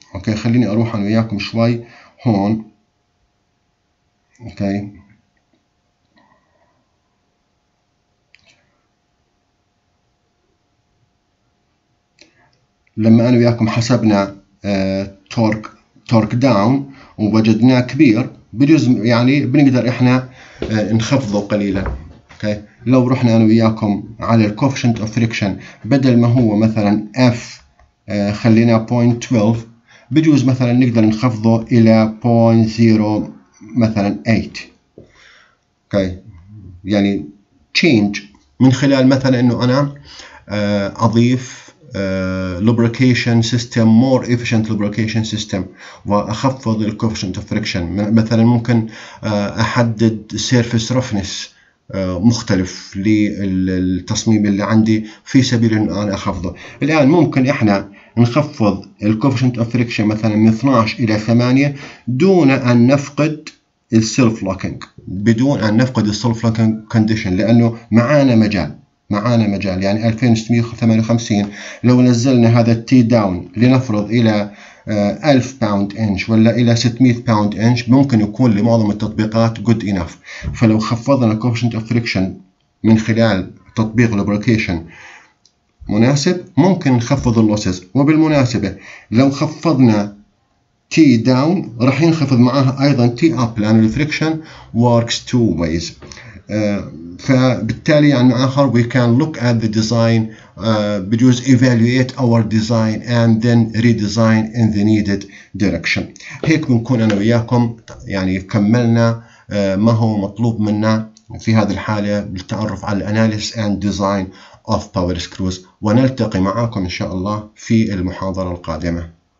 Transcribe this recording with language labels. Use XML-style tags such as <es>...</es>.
<ar>أوكي، خليني أروح أنا وياكم شوي هون. أوكي، لما أنا وياكم حسبنا تورك داون ووجدناه كبير، بجزء يعني بنقدر إحنا نخفضه قليلاً.</ar> <en>okay.</en> <ar>لو رحنا أنا وياكم على الكوفيشنت أوف فريكشن، بدل ما هو مثلاً F خلينا 0.12، بجزء مثلاً نقدر نخفضه إلى 0.0 مثلاً 8.</ar> <en>okay.</en> <ar>يعني change من خلال مثلاً إنه أنا أضيف lubrication system,</ar> <en>more efficient lubrication system،</en> <ar>وأخفض الـ coefficient of friction. مثلا ممكن أحدد surface roughness مختلف للتصميم اللي عندي في سبيل أن أنا أخفضه. الآن ممكن إحنا نخفض الـ coefficient of friction مثلا من 12 إلى 8 دون أن نفقد الـ self-locking، بدون أن نفقد الـ self-locking condition، لأنه معانا مجال. معانا مجال، يعني 2658 لو نزلنا هذا التي داون لنفرض إلى 1000 باوند إنش ولا إلى 600 باوند إنش، ممكن يكون لمعظم التطبيقات</ar> <en>good enough.</en> <ar>فلو خفضنا coefficient of friction من خلال تطبيق lubrication مناسب، ممكن نخفض losses. وبالمناسبة لو خفضنا تي داون راح ينخفض معها أيضا تي أب، لأن الفريكشن</ar> <en>works two ways.</en> <ar>فبالتالي يعني آخر</ar> <en>we can look at the design</en> <ar>بجوز</ar> <en>evaluate our design and then redesign in the needed direction.</en> <ar>هيك بنكون أنا وياكم يعني كملنا ما هو مطلوب منا في هذه الحالة للتعرف على</ar> <en>analysis and design of power screws،</en> <ar>ونلتقي معاكم إن شاء الله في المحاضرة القادمة.</ar>